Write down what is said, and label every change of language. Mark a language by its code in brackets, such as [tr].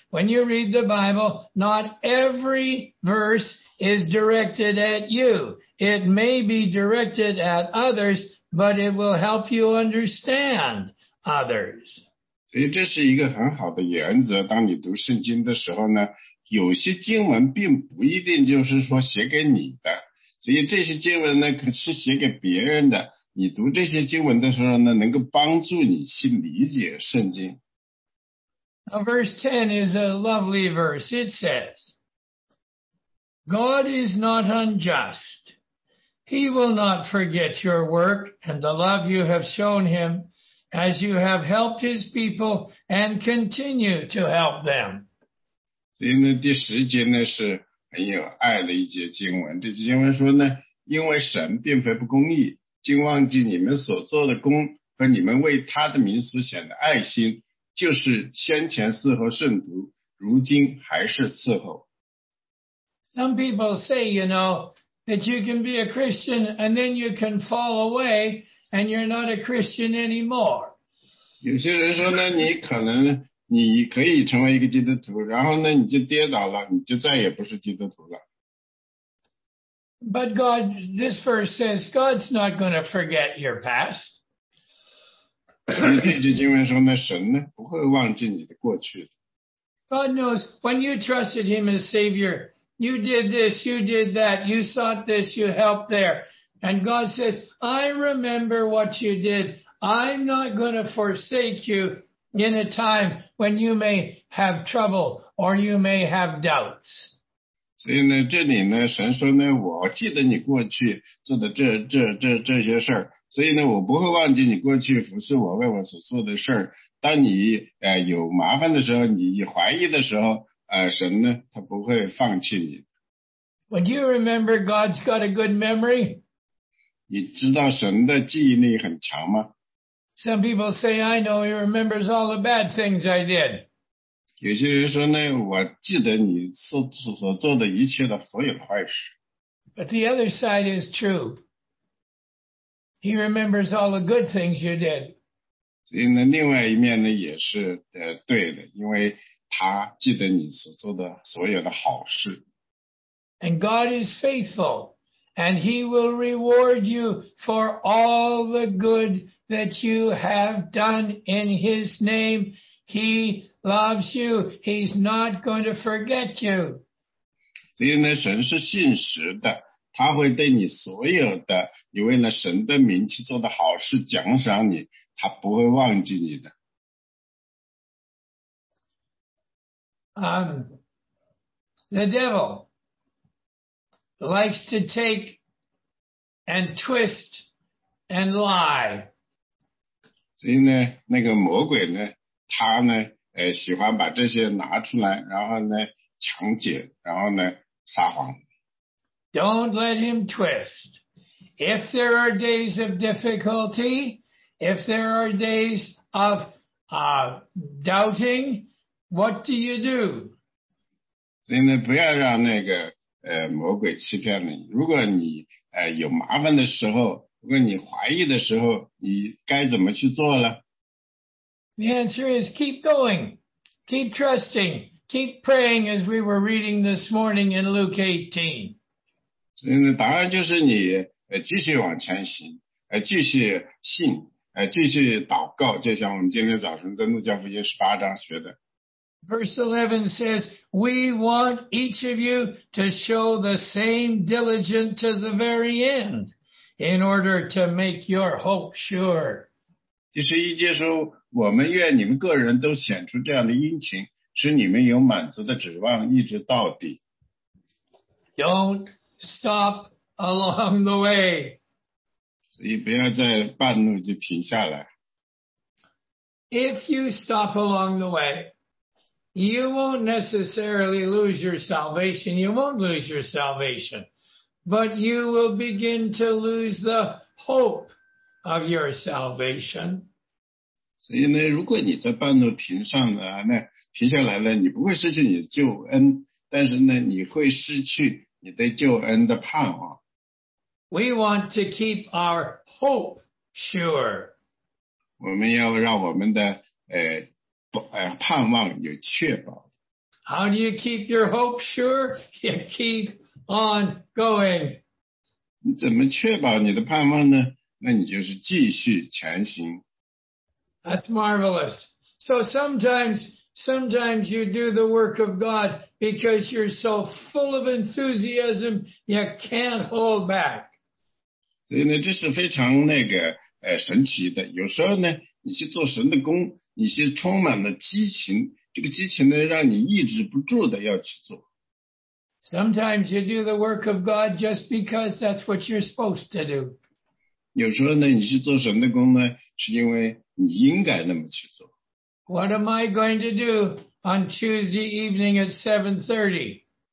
[en] When you read the Bible, not every verse is directed at you. It may be directed at others, but it will help you understand others. [zh] 所以这是一个很好的原则，当你读圣经的时候呢，有些经文并不一定就是说写给你的。所以这些经文呢，是写给别人的。你读这些经文的时候呢，能够帮助你去理解圣经。 [en] Now verse 10 is a lovely verse. It says, God is not unjust. He will not forget your work and the love you have shown him as you have helped his people and continue to help them. [zh] 所以呢，第10节呢，是 很有爱的一节经文。这节经文说呢，因为神并非不公义，竟忘记你们所做的功和你们为他的名所显的爱心，就是先前伺候圣徒，如今还是伺候。 [en] Some people say, you know, that you can be a Christian and then you can fall away and you're not a Christian anymore. [zh] 有些人说呢，你可能你可以成为一个基督徒，然后呢你就跌倒了，你就再也不是基督徒了。 [en] But God, this verse says, God's not going to forget your past. [zh] 这句经文说呢，神呢不会忘记你的过去。 [en] God knows when you trusted Him as Savior, you did this, you did that, you sought this, you helped there. And God says, I remember what you did. I'm not going to forsake you in a time when you may have trouble or you may have doubts. [zh] 所以呢，这里呢，神说呢，我记得你过去做的这些事儿，所以呢，我不会忘记你过去服侍我、为我所做的事儿。当你有麻烦的时候，你怀疑的时候，神呢，他不会放弃你。 [en] Would you remember God's got a good memory? [zh] 你知道神的记忆力很强吗？ [en] Some people say, I know He remembers all the bad things I did. [zh] 有些人说呢，我记得你所做的一切的所有的坏事。 [en] But the other side is true. He remembers all the good things you did. [zh] 所以呢，另外一面呢也是对的，因为他记得你所做的所有的好事。 [en] And God is faithful, and He will reward you for all the good that you have done in His name. He loves you. He's not going to forget you. [zh] 所以呢，神是信实的，他会对你所有的你为了神的名气做的好事奖赏你。他不会忘记你的。 [en] The devil likes to take and twist and lie. [zh] 所以呢，那个魔鬼呢，他呢，喜欢把这些拿出来，然后呢，强解，然后呢，撒谎。 [en] Don't let him twist. If there are days of difficulty,If there are days of doubting, what do you do? [zh] 所以呢，不要让那个魔鬼欺骗你。如果你有麻烦的时候，如果你怀疑的时候，你该怎么去做呢？ [en] The answer is keep going, keep trusting, keep praying, as we were reading this morning in Luke 18. [zh] 所以呢，答案就是你继续往前行，继续信。继续祷告，就像我们今天早晨在路加福音十八章学的。 [en] Verse 11 says, "We want each of you to show the same diligence to the very end, in order to make your hope sure." [zh] 第十一节说，我们愿你们个人都显出这样的殷勤，使你们有满足的指望，一直到底。 [en] Don't stop along the way. [zh] 所以不要再半路就停下来。 [en] If you stop along the way, you won't necessarily lose your salvation. You won't lose your salvation, but you will begin to lose the hope of your salvation. [zh] 所以呢，如果你在半路停上了，那停下来了，你不会失去你的救恩，但是呢，你会失去你对救恩的盼望。 [en] We want to keep our hope sure. [zh] 我们要让我们的盼望有确保。 [en] How do you keep your hope sure? You keep on going. [zh] 你怎么确保你的盼望呢？那你就是继续前行。 [en] That's marvelous. So sometimes you do the work of God because you're so full of enthusiasm you can't hold back. [zh] 所以呢，这是非常那个神奇的。有时候呢，你去做神的工，你是充满了激情，这个激情呢，让你抑制不住的要去做。 [en] Sometimes you do the work of God just because that's what you're supposed to do. [zh] 有时候呢，你去做神的工呢，是因为你应该那么去做。 [en] What am I going to do on Tuesday evening at 7:30?